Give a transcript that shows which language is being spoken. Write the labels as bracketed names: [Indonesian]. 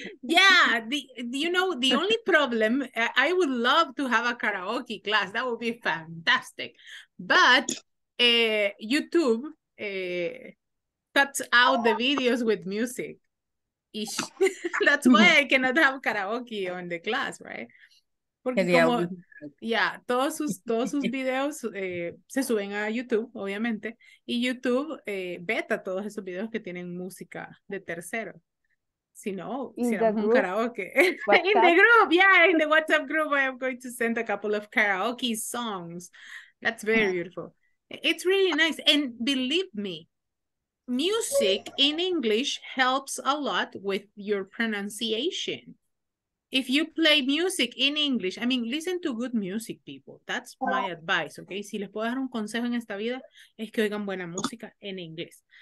[English] Yeah, the only problem, I would love to have a karaoke class. That would be fantastic. But YouTube cuts out the videos with music. That's why I cannot have karaoke on the class, right? [Spanish] Porque como, todos sus videos se suben a YouTube, obviamente, y YouTube veta todos esos videos que tienen música de tercero. Si no, hiciéramos un karaoke. [English] In the group, in the WhatsApp group, I am going to send a couple of karaoke songs. That's very beautiful. It's really nice. And believe me, music in English helps a lot with your pronunciation. If you play music in English, I mean, listen to good music, people. That's my advice, okay? [Spanish] Si les puedo dar un consejo en esta vida, es que oigan buena música en inglés.